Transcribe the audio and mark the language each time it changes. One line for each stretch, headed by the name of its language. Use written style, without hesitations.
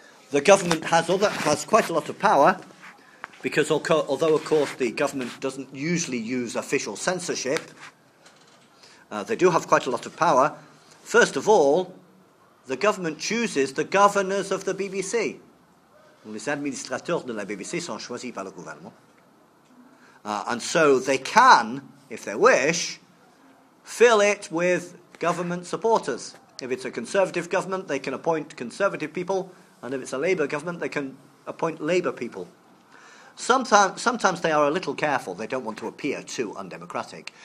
English: The government has quite a lot of power because although, of course, the government doesn't usually use official censorship, they do have quite a lot of power. First of all, the government chooses the governors of the BBC.
French: Les administrateurs de la BBC sont choisis par le gouvernement.
English: And so they can, if they wish, fill it with government supporters. If it's a Conservative government, they can appoint Conservative people. And if it's a Labour government, they can appoint Labour people. Sometimes they are a little careful. They don't want to appear too undemocratic.